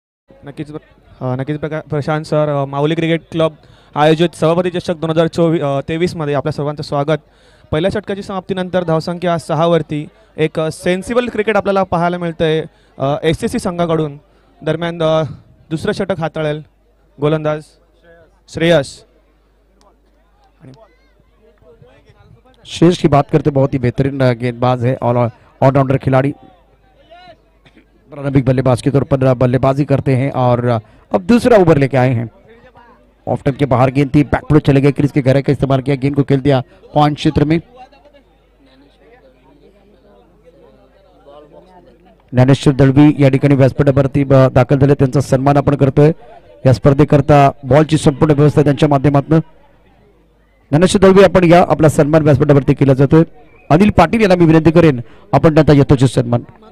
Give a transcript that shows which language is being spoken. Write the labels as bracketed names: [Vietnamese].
[Marathi] नक्कीच प्रशांत सर, माऊली cricket club आयोजित सभापति चषक 2024 मध्ये आपल्या सर्वांचं स्वागत। पहिल्या षटकाची समाप्तीनंतर धावसंख्या 6 वरती एक सेन्सिबल क्रिकेट आपल्याला पाहायला मिळतंय एसएससी संघाकडून। दरम्यान दुसरं षटक हाताळेल गोलंदाज श्रेयस। [Hindi] श्रेयस की बात करते बहुत ही बेहतरीन गेंदबाज है, ऑलराउंडर खिलाड़ी। प्रारंभिक बल्लेबाज के तौर पर बल्लेबाजी करते हैं और अब दूसरा ओवर लेके आए हैं। ऑफ टैप के बाहर गेंद थी, बैक पर चले गए क्रिस के घर का इस्तेमाल किया, गेंद को खेल दिया पॉइंट क्षेत्र में। [Marathi] ज्ञानेश्वर दळवी या ठिकाणी व्यासपीठावरती दाखल झाले, त्यांचा सन्मान आपण करतोय। या स्पर्धेकरता बॉलची संपूर्ण व्यवस्था त्यांच्या माध्यमातून। ज्ञानेश्वर दळवी आपण या आपला सन्मान व्यासपीठावरती केला जातोय। अनिल पाटील यांना मी विनंती करेन आपण त्यांचा यथोचित सन्मान।